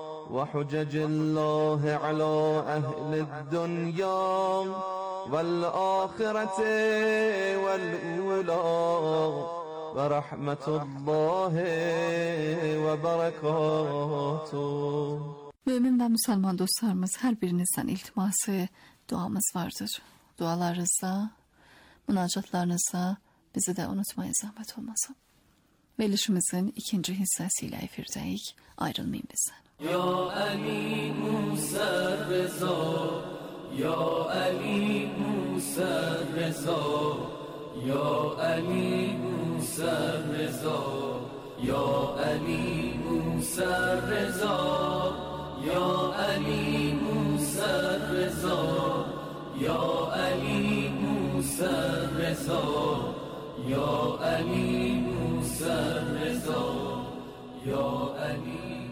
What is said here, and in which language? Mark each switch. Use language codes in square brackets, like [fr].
[ar] وحجج الله على أهل الدنيا والآخرة والأولى ورحمة الله وبركاته. [az] Mümin ve Müslüman dostlarımız, her birinizden iltiması, duamız vardır. Dualarınızla, münacatlarınızla bizi de unutmayın, zahmet olmasın. Verilişimizin ikinci hissesiyle efirdeyik. Ayrılmayın bizden. [ar] Ya Ali Musa Reza, Ya Ali Musa Reza, Ya Ali Musa Reza, Ya Ali Musa Reza, يا علي موسى رضا يا علي موسى رضا يا علي موسى رضا يا علي